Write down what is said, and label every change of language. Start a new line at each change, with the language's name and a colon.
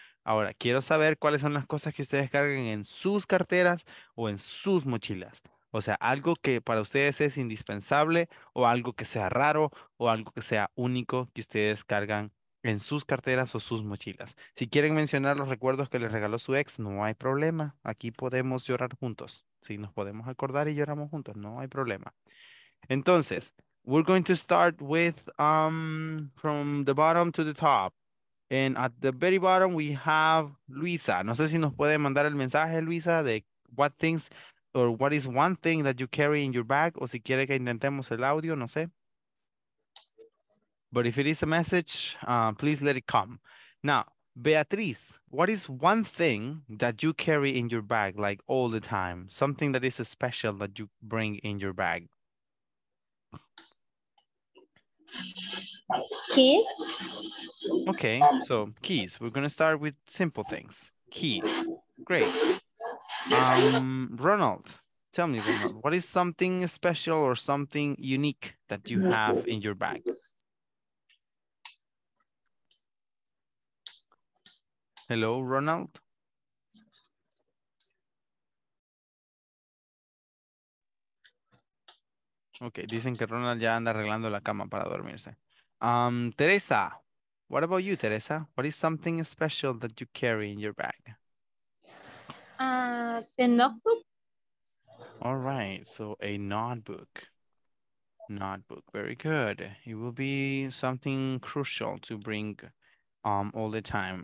Spanish: Ahora, quiero saber cuáles son las cosas que ustedes cargan en sus carteras o en sus mochilas. O sea, algo que para ustedes es indispensable o algo que sea raro o algo que sea único que ustedes cargan en sus carteras o sus mochilas. Si quieren mencionar los recuerdos que les regaló su ex, no hay problema. Aquí podemos llorar juntos. Sí, nos podemos acordar y lloramos juntos. No hay problema. Entonces,
English: we're going to start with from the bottom to the top. And at the very bottom, we have Luisa.
Spanish: No sé si nos puede mandar el mensaje, Luisa, de
English: what things or what is one thing that you carry in your bag.
Spanish: O si quiere que intentemos el audio, no sé.
English: But if it is a message, please let it come. Now, Beatriz, what is one thing that you carry in your bag, like, all the time? Something that is special that you bring in your bag? Keys. Okay, so keys. We're going to start with simple things. Keys. Great. Ronald, tell me, Ronald, what is something special or something unique that you have in your bag? Hello, Ronald.
Spanish: Okay, dicen que Ronald ya anda arreglando la cama para dormirse.
English: Teresa, what about you, Teresa? What is something special that you carry in your bag? The notebook. All right, so a notebook. Notebook, very good. It will be something crucial to bring all the time.